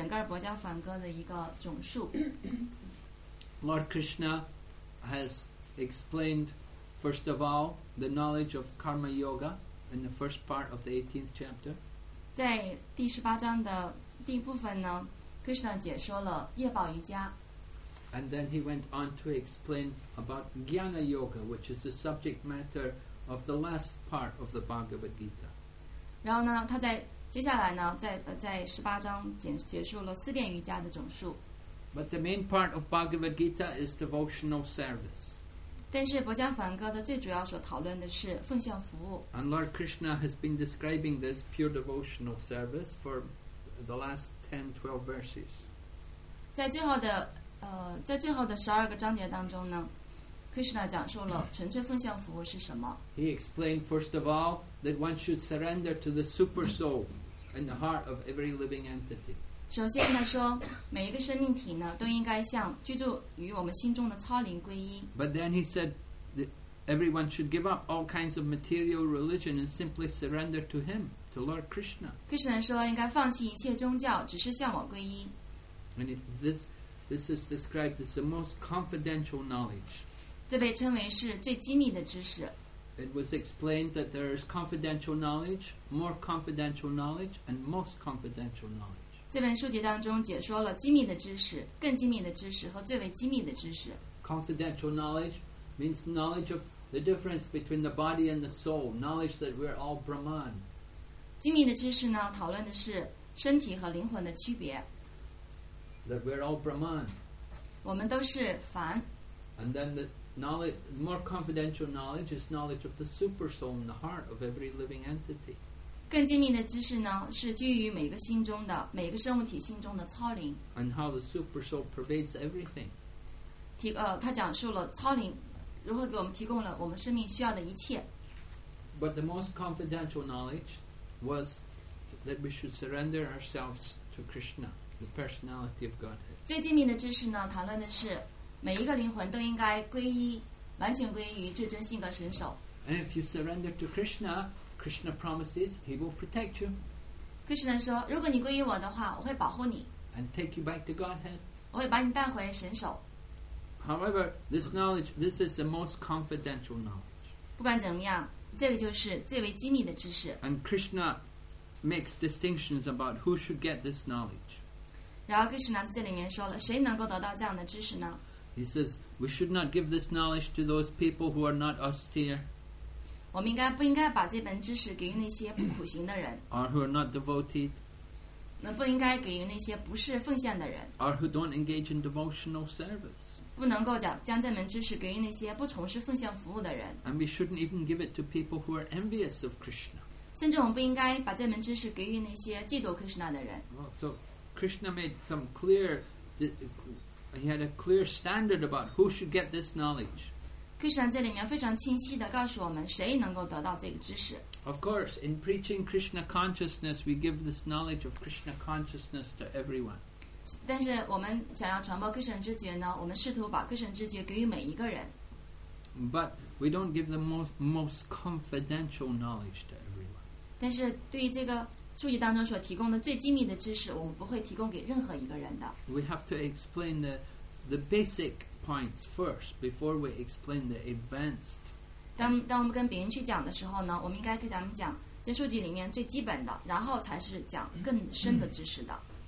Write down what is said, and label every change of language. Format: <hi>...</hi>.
<zh>薄伽梵歌第十八章呢，是整个薄伽梵歌的一个总述。</zh> <en>Lord Krishna has explained, first of all, the knowledge of Karma Yoga. In the first part of the 18th chapter,</en> <zh>在第十八章的第一部分呢， Krishna 解说了业报瑜伽。</zh> <en>And then he went on to explain about Jnana Yoga, which is the subject matter of the last part of the Bhagavad Gita.</en> <zh>然后呢，他在接下来呢，在十八章解说了思辨瑜伽的总述。</zh> <en>But the main part of Bhagavad Gita is devotional service.</en> <zh>但是博迦梵歌的最主要所讨论的是奉献服务。</zh> <en>And Lord Krishna has been describing this pure devotional service for the last 10-12 verses.</en> <zh>在最后的十二个章节当中呢， Krishna 讲述了纯粹奉献服务是什么。</zh> <en>He explained first of all that one should surrender to the super soul in the heart of every living entity.</en> <zh>首先他说每一个生命体呢都应该向居住于我们心中的超灵归依。</zh> <en>But then he said that everyone should give up all kinds of material religion and simply surrender to him, to Lord Krishna.</en> <zh>Krishna 说应该放弃一切宗教只是向我归依。</zh> <en>And this is described as the most confidential knowledge.</en> <zh>这被称为是最机密的知识。</zh> <en>It was explained that there is confidential knowledge, more confidential knowledge, and most confidential knowledge.</en> <zh>这本书籍当中解说了机密的知识、更机密的知识和最为机密的知识。</zh> <en>Confidential knowledge means knowledge of the difference between the body and the soul, knowledge that we're all Brahman.</en> <zh>机密的知识呢，讨论的是身体和灵魂的区别。</zh> <en>That we're all Brahman.</en> <zh>我们都是凡。</zh> <en>And then the knowledge, more confidential knowledge is knowledge of the super soul in the heart of every living entity.</en> <zh>更精密的知识呢，是居于每个心中的每个生物体心中的超灵。</zh> <en>And how the super soul pervades everything.</en> <zh>他讲述了超灵如何给我们提供了我们生命需要的一切。</zh> <en>But the most confidential knowledge was that we should surrender ourselves to Krishna, the personality of Godhead.</en> <zh>最精密的知识呢，谈论的是每一个灵魂都应该皈依，完全皈依于至尊性格神首。</zh> <en>And if you surrender to Krishna. Krishna promises he will protect you.</en> <zh>Krishna 说如果你皈依我的话我会保护你。</zh> <en>And take you back to Godhead.</en> <zh>我会把你带回神首。</zh> <en>However, this knowledge, this is the most confidential knowledge.</en> <zh>不管怎么样这个就是最为机密的知识。</zh> <en>And Krishna makes distinctions about who should get this knowledge.</en> <zh>然后 Krishna 在这里面说了谁能够得到这样的知识呢？</zh> <en>He says, we should not give this knowledge to those people who are not austere.</en> <zh>我们应该不应该把这本知识给予那些不苦行的人</zh> <en>or who are not devoted</en> <zh>那不应该给予那些不是奉献的人</zh> <en>or who don't engage in devotional service</en> <zh>不能够将这门知识给予那些不从事奉献服务的人</zh> <en>and we shouldn't even give it to people who are envious of Krishna</en> <zh>甚至我们不应该把这门知识给予那些嫉妒 Krishna 的人</zh> <en>well, So Krishna made some clear he had a clear standard about who should get this knowledge</en> <zh>Krishna 这里面非常清晰地告诉我们谁能够得到这个知识。</zh> <en>Of course, in preaching Krishna consciousness, we give this knowledge of Krishna consciousness to everyone.</en> <zh>但是我们想要传播 Krishna 知觉呢，我们试图把 Krishna 知觉给予每一个人。</zh> <en>But we don't give the most confidential knowledge to everyone.</en> <zh>但是对于这个书籍当中所提供的最机密的知识，我们不会提供给任何一个人的。</zh> <en>We have to explain the basic. Points first before we explain the advanced.</en> <zh>当我们跟别人去讲的时候呢，我们应该给他们讲这书籍里面最基本的，然后才是讲更深的知识的。</zh>